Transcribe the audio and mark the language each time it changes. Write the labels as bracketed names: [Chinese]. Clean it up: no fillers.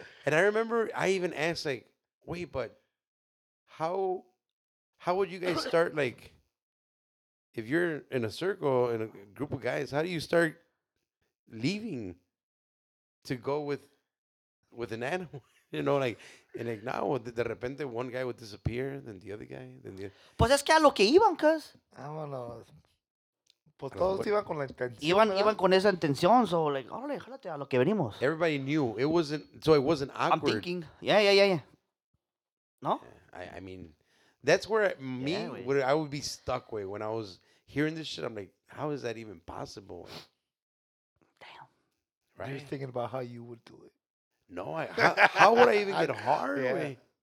[English] And I remember I even asked, like, wait, but how would you guys start, like, if you're in a circle, in a group of guys, how do you start leaving to go with an animal? You know, like, and like now, [Spanish] de repente, [English] one guy would disappear, then the other guy, then the other. [Spanish] Pues es que a lo que iban, cuz. Vámonos. Pues todos iban con la intención. Iban con esa intención, [English] so like, [Spanish] órale, jálate a lo que venimos. [English] Everybody knew. It wasn't awkward. I'm thinking. Yeah. ¿No? I mean, that's where I would be stuck with when I was hearing this shit. I'm like, how is that even possible? Damn. Right? You're thinking about how you would do it. No, how would I even get hard? Yeah. Like